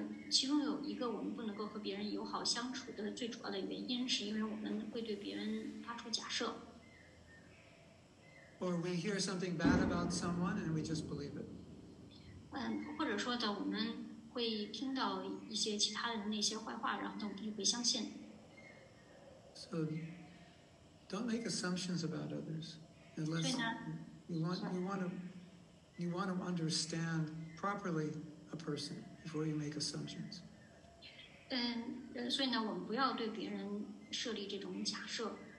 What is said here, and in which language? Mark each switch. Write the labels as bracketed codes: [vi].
[zh] 其中有一个我们不能够和别人友好相处的最主要的原因，是因为我们会对别人发出假设。 [en] Or we hear something bad about someone and we just believe it. [zh] 或者说的，我们会听到一些其他人的那些坏话，然后我们就会相信。 [en] So don't make assumptions about others unless you want to understand properly a person before you make assumptions. [zh] 所以呢，我们不要对别人设立这种假设。